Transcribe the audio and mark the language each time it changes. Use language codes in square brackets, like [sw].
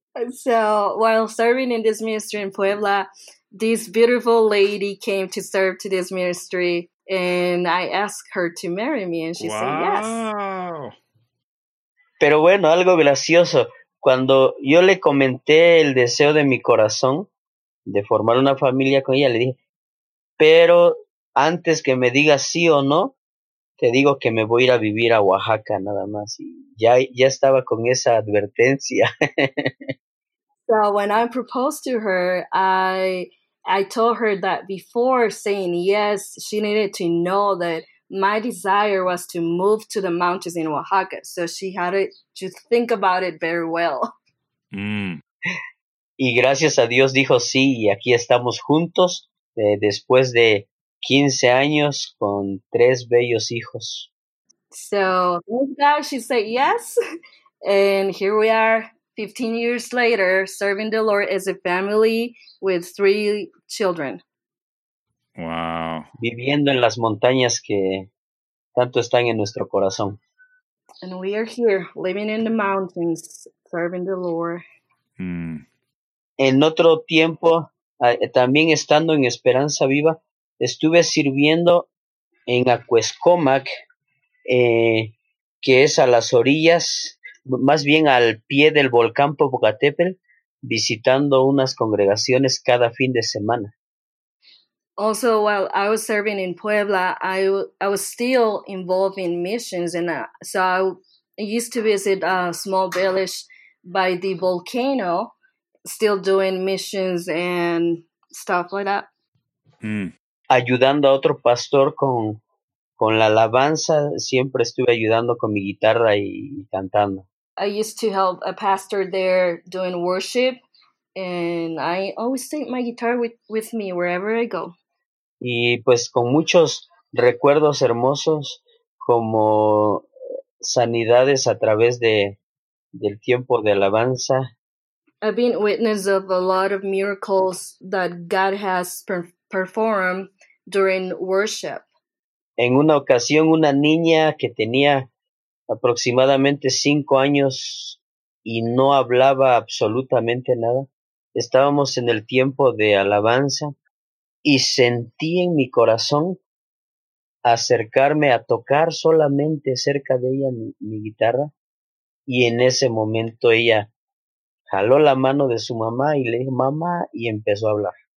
[en] So while serving in this ministry in Puebla, this beautiful lady came to serve to this ministry, and I asked her to marry me, and she said yes. [es] Pero bueno, algo gracioso. Cuando yo le comenté el deseo de mi corazón de formar una familia con ella, le dije, pero antes que me digas sí o no, te digo que me voy a ir a vivir a Oaxaca nada más. Y ya estaba con esa advertencia. [en] So when I proposed to her, I told her that before saying yes, she needed to know that my desire was to move to the mountains in Oaxaca. So she had to think about it very well. [es] Y gracias a Dios dijo sí, y aquí estamos juntos después de 15 años con tres bellos hijos. [en] So she said yes, and here we are 15 years later serving the Lord as a family with three children. Wow. [es] Viviendo en las montañas que tanto están en nuestro corazón. [en] And we are here living in the mountains serving the Lord. [es] En otro tiempo, también estando en Esperanza Viva, estuve sirviendo en Acuescomac, que es a las orillas, más bien al pie del volcán Popocatépetl, visitando unas congregaciones cada fin de semana. [en] Also, while I was serving in Puebla, I was still involved in missions, and so I used to visit a small village by the volcano, still doing missions and stuff like that. [es] Ayudando a otro pastor con la alabanza, siempre estuve ayudando con mi guitarra y cantando. [en] I used to help a pastor there doing worship, and I always take my guitar with me wherever I go. [es] Y pues con muchos recuerdos hermosos, como sanidades a través del tiempo de alabanza. [en] I've been witness of a lot of miracles that God has performed during worship. [es] En una ocasión, una niña que tenía aproximadamente 5 años y no hablaba absolutamente nada, estábamos en el tiempo de alabanza y sentí en mi corazón acercarme a tocar solamente cerca de ella mi guitarra, y en ese momento ella jaló la mano de su mamá y le dijo mamá y empezó a hablar.